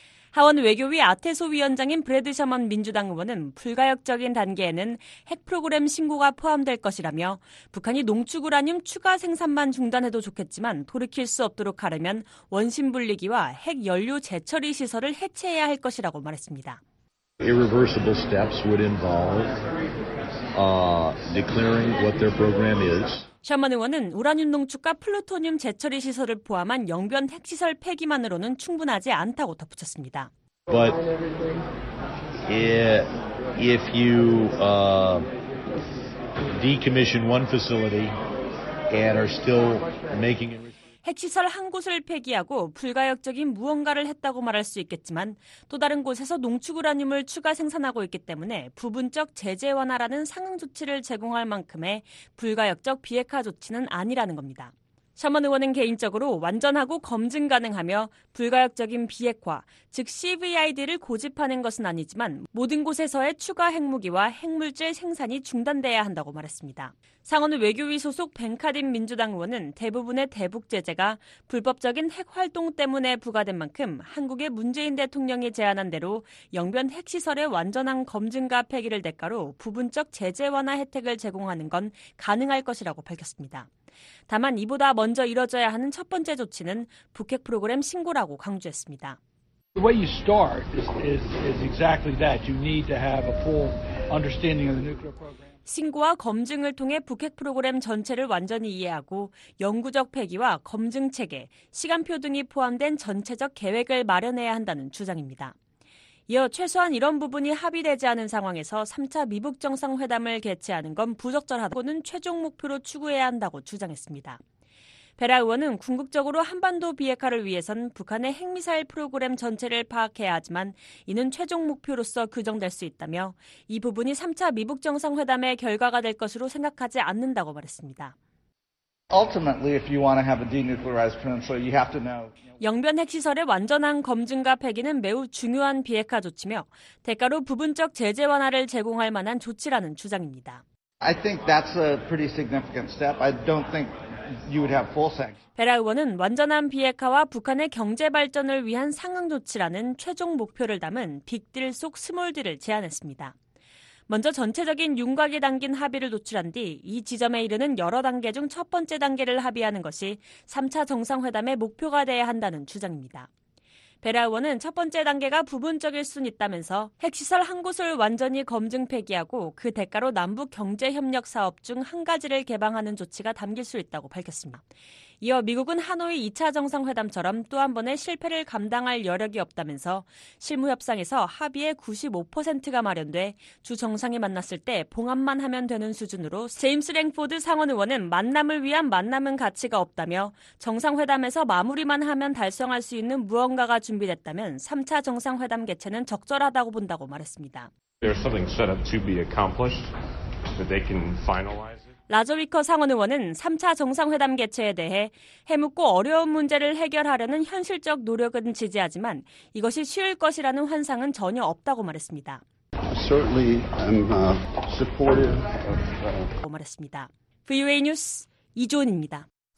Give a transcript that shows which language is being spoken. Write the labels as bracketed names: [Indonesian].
[Korean] 하원 외교위 아태소 위원장인 브래드 셔먼 민주당 의원은 불가역적인 단계에는 핵 프로그램 신고가 포함될 것이라며 북한이 농축우라늄 추가 생산만 중단해도 좋겠지만 돌이킬 수 없도록 하려면 원심 불리기와 핵 연료 재처리 시설을 해체해야 할 것이라고 말했습니다. [English] Irreversible steps would involve declaring what their program is. [Korean] 셔먼 의원은 우라늄 농축과 플루토늄 재처리 시설을 포함한 영변 핵시설 폐기만으로는 충분하지 않다고 덧붙였습니다. [English] But if you decommission one facility and are still making [Korean] 핵시설 한 곳을 폐기하고 불가역적인 무언가를 했다고 말할 수 있겠지만 또 다른 곳에서 농축우라늄을 추가 생산하고 있기 때문에 부분적 제재 완화라는 상응 조치를 제공할 만큼의 불가역적 비핵화 조치는 아니라는 겁니다. 셔먼 의원은 개인적으로 완전하고 검증 가능하며 불가역적인 비핵화, 즉 CVID를 고집하는 것은 아니지만 모든 곳에서의 추가 핵무기와 핵물질 생산이 중단돼야 한다고 말했습니다. 상원 외교위 소속 벤카딘 민주당 의원은 대부분의 대북 제재가 불법적인 핵 활동 때문에 부과된 만큼 한국의 문재인 대통령이 제안한 대로 영변 핵시설의 완전한 검증과 폐기를 대가로 부분적 제재 완화 혜택을 제공하는 건 가능할 것이라고 밝혔습니다. 다만 이보다 먼저 이뤄져야 하는 첫 번째 조치는 북핵 프로그램 신고라고 강조했습니다. [English] The way you start is exactly that. You need to have a full understanding of the nuclear program. [Korean] 신고와 검증을 통해 북핵 프로그램 전체를 완전히 이해하고 영구적 폐기와 검증 체계, 시간표 등이 포함된 전체적 계획을 마련해야 한다는 주장입니다. 이어 최소한 이런 부분이 합의되지 않은 상황에서 3차 미북 정상회담을 개최하는 건 부적절하다고는 최종 목표로 추구해야 한다고 주장했습니다. 베라 의원은 궁극적으로 한반도 비핵화를 위해선 북한의 핵미사일 프로그램 전체를 파악해야 하지만 이는 최종 목표로서 규정될 수 있다며 이 부분이 3차 미북 정상회담의 결과가 될 것으로 생각하지 않는다고 말했습니다. [English] Ultimately, if you want to have a denuclearized peninsula, you have to know. [Korean] 영변 핵시설의 완전한 검증과 폐기는 매우 중요한 비핵화 조치며 대가로 부분적 제재 완화를 제공할 만한 조치라는 주장입니다. [English] I think that's a pretty significant step. I don't think you would have full sanctions. [Korean] 베라 의원은 완전한 비핵화와 북한의 경제 발전을 위한 상응 조치라는 최종 목표를 담은 빅딜 속 스몰딜을 제안했습니다. 먼저 전체적인 윤곽에 담긴 합의를 도출한 뒤 이 지점에 이르는 여러 단계 중 첫 번째 단계를 합의하는 것이 3차 정상회담의 목표가 돼야 한다는 주장입니다. 베라 의원은 첫 번째 단계가 부분적일 순 있다면서 핵시설 한 곳을 완전히 검증 폐기하고 그 대가로 남북 경제협력 사업 중 한 가지를 개방하는 조치가 담길 수 있다고 밝혔습니다. 이어 미국은 하노이 2차 정상회담처럼 또 한 번의 실패를 감당할 여력이 없다면서 실무협상에서 합의의 95%가 마련돼 두 정상이 만났을 때 봉합만 하면 되는 수준으로 제임스 랭포드 상원 의원은 만남을 위한 만남은 가치가 없다며 정상회담에서 마무리만 하면 달성할 수 있는 무언가가 준비됐다면 3차 정상회담 개최는 적절하다고 본다고 말했습니다. [English] There's something set up to be accomplished that they can finalize. [Korean] 라저 위커 상원 의원은 3차 정상회담 개최에 대해 해묻고 어려운 문제를 해결하려는 현실적 노력은 지지하지만 이것이 쉬울 것이라는 환상은 전혀 없다고 말했습니다. [English] Certainly I'm supportive of that. [Korean] 말했습니다. VOA 뉴스 이조은입니다.